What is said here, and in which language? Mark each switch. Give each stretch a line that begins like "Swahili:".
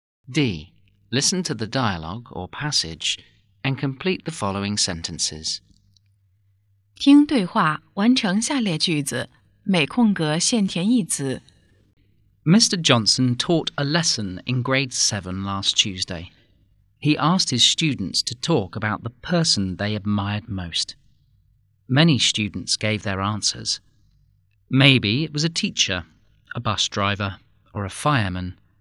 English: D. Listen to the dialogue or passage and complete the following sentences.
Chinese: 听对话，完成下列句子，每空格限填一词。
English: Mr. Johnson taught a lesson in grade 7 last Tuesday. He asked his students to talk about the person they admired most. Many students gave their answers. Maybe it was a teacher, a bus driver, or a fireman.